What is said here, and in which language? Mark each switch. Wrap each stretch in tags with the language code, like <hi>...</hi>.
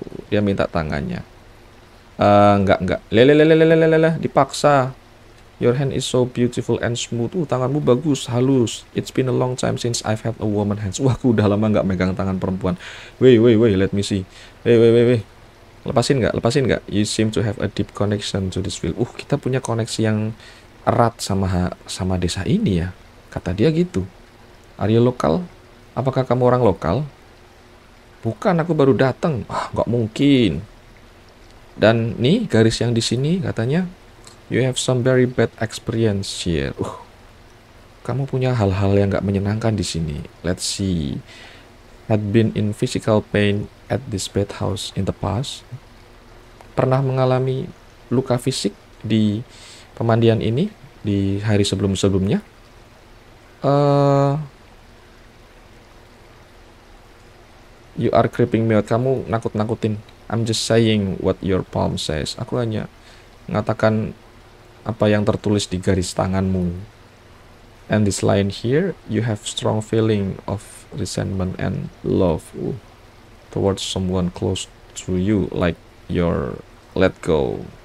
<id>Dia minta tangannya. Enggak. Lelelelelelelelele, dipaksa.</id> <en>Your hand is so beautiful and smooth.</en> <id>Tanganmu bagus, halus.</id> <en>It's been a long time since I've had a woman hands.</en> <id>Wah, aku udah lama enggak megang tangan perempuan.</id> <en>Wait, let me see. Wait.</en> <id>Lepasin nggak?</id> <en>You seem to have a deep connection to this field.</en> <id>Kita punya koneksi yang erat sama desa ini ya. Kata dia gitu.</id> <en>Are you local?</en> <id>Apakah kamu orang lokal? Bukan, aku baru datang. Ah, nggak mungkin. Dan nih, garis yang di sini katanya.</id> <en>You have some very bad experience here.</en> <id>Kamu punya hal-hal yang nggak menyenangkan di sini.</id> <en>Let's see. Had been in physical pain at this bed house in the past.</en> <id>Pernah mengalami luka fisik di pemandian ini di hari sebelum-sebelumnya.</id> <en>You are creeping me out.</en> <id>Kamu nakut-nakutin.</id> <en>I'm just saying what your palm says.</en> <id>Aku hanya mengatakan apa yang tertulis di garis tanganmu.</id> <en>And this line here, you have strong feeling of resentment and love towards someone close to you, like your let go.</en>